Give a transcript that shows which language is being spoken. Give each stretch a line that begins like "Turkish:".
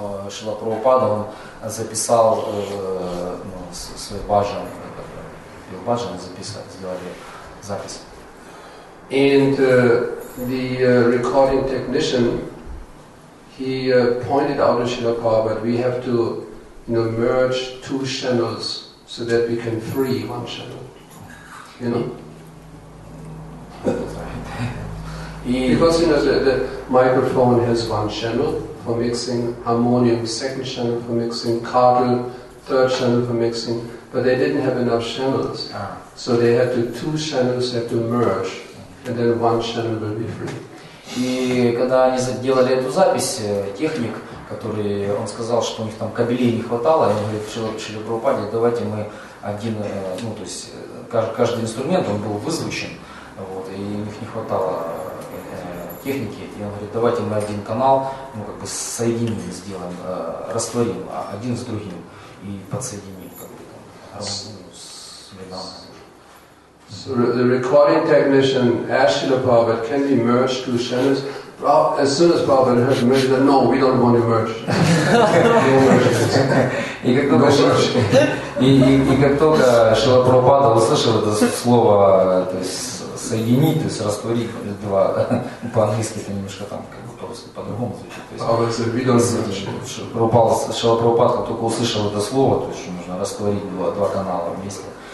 Russian: Шрила Прабхупада записал свой баджан. Был баджан записать, сделали запись.
English: And the recording technician. He pointed out to Srila Prabhupada, we have to, you know, merge two channels so that we can free one channel. You know? Because, you know, the microphone has one channel for mixing, harmonium, second channel for mixing, cartel, third channel for mixing, but they didn't have enough channels. So they had to, two channels have to merge, and then one channel will be free.
Russian: И когда они делали эту запись, техник которые, он сказал, что у них там кабелей не хватало, и они говорят, что Шрила Прабхупаде, давайте мы один, ну то есть каждый инструмент, он был вызвучен, вот, и у них не хватало техники, и он говорит, давайте мы один канал, ну как бы соединим, сделаем, растворим один с другим и подсоединим, как бы там, с
English: Вриндаваном. So the recording technician asked Srila Prabhupada, can we merge two centers? As soon as Prabhupada heard the merger, he said, no, we don't want to merge. No merge.
Russian: И как только Шрила Прабхупада услышал это слово, то есть соединить, то есть растворить два, по-английски это немножко там как бы по-русски по-другому звучит. Шрила Прабхупада только услышал это слово, то есть нужно растворить два канала вместе.